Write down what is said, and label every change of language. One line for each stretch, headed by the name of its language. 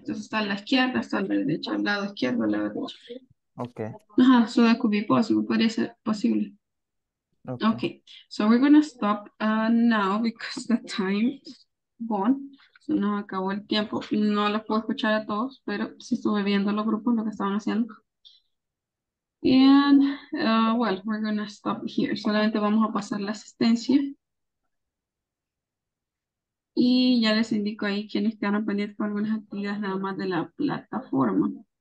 Spanish: Entonces, está a la izquierda, está a la derecha, al lado izquierdo, al lado derecho.
English: Okay. So that could be possible.
Spanish: Podría ser posible.
English: Okay. Okay. So we're going to stop now because the time is gone.
Spanish: Se nos acabó el tiempo. No los puedo escuchar a todos, pero sí estuve viendo los grupos, lo que estaban haciendo.
English: And, well, we're going to stop here.
Spanish: Solamente vamos a pasar la asistencia. Y ya les indico ahí quienes quedaron pendientes con algunas actividades nada más de la plataforma.